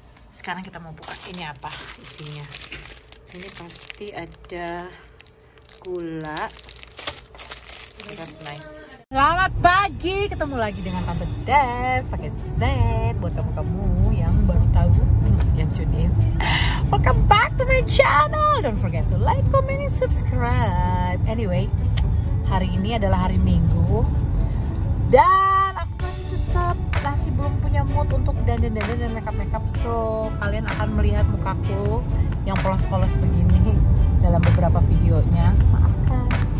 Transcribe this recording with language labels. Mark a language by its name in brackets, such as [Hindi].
[Indonesian] Sekarang kita mau buka ini apa isinya. Ini pasti ada gula. [English] That's nice. [Indonesian] Selamat pagi, ketemu lagi dengan Tante Dev pakai Z buat kamu-kamu yang baru tahu yang cuti. [English] Welcome back to my channel. Don't forget to like, comment, and subscribe. [Indonesian] Anyway, hari ini adalah hari Minggu dan aku tetap masih belum punya mood untuk dandan-dandan dan makeup-makeup. So, kalian akan melihat mukaku yang polos-polos begini dalam beberapa videonya. Maafkan.